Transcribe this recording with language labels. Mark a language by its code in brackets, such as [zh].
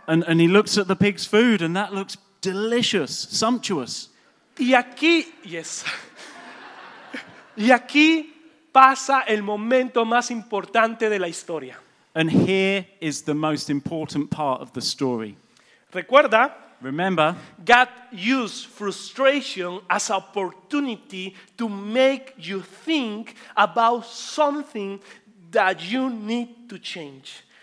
[en] And he looks at the pig's food, and that looks delicious, sumptuous. [es] Y aquí, yes. Y aquí pasa el momento más importante de la historia. [en] And here is the most important part of the story. [es] Recuerda. [en] Remember, God used frustration as an opportunity to make you think about something that you need to change.